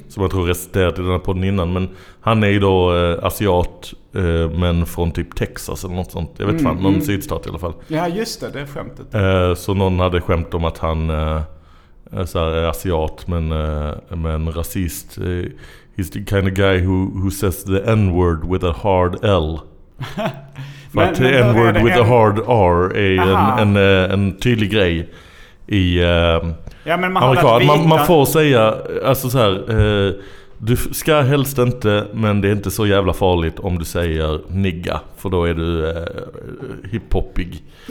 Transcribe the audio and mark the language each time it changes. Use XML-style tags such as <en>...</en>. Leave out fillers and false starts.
<sv>Som jag tror resulterat i den här podden innan. Men han är ju då asiat, men från typ Texas eller något sånt. Jag vet fan, någon sydstat i alla fall. Ja, just det, det är skämtet. Så någon hade skämt om att han så här, är asiat, men rasist.</sv> <en>He's the kind of guy who says the N-word with a hard L.</en> <sv>Men, att men</sv> <en>N-word with a hard R</en> <sv>är en tydlig grej i Amerika. Man får säga, alltså så här, du ska helst inte, men det är inte så jävla farligt om du säger nigga, för då är du hiphoppig.</sv>